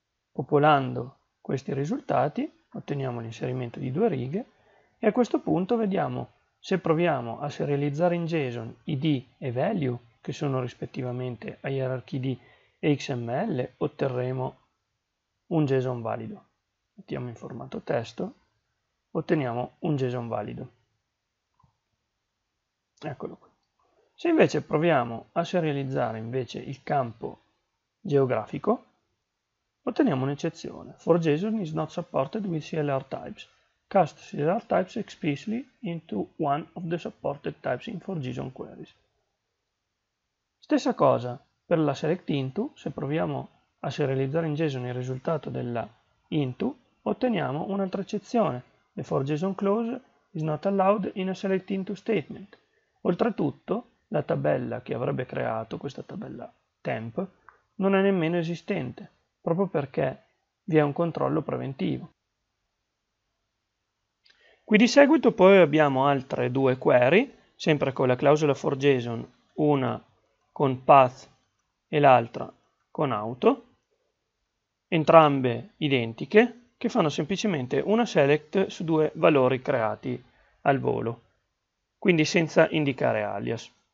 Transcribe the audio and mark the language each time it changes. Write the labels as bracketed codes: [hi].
[it] Popolando questi risultati otteniamo l'inserimento di due righe e a questo punto vediamo se proviamo a serializzare in JSON ID e value, che sono rispettivamente hierarchy ID e XML, otterremo un JSON valido. Mettiamo in formato testo, otteniamo un JSON valido. Eccolo qui. Se invece proviamo a serializzare invece il campo geografico, otteniamo un'eccezione. [en] For JSON is not supported with CLR types. Cast CLR types explicitly into one of the supported types in For JSON queries. [it] Stessa cosa per la select into, se proviamo a serializzare in JSON il risultato della into, otteniamo un'altra eccezione. [en] The for JSON clause is not allowed in a select into statement. [it] Oltretutto, la tabella che avrebbe creato, questa tabella temp, non è nemmeno esistente, proprio perché vi è un controllo preventivo. Qui di seguito poi abbiamo altre due query, sempre con la clausola for JSON, una con path e l'altra con auto, entrambe identiche, che fanno semplicemente una select su due valori creati al volo, quindi senza indicare alias.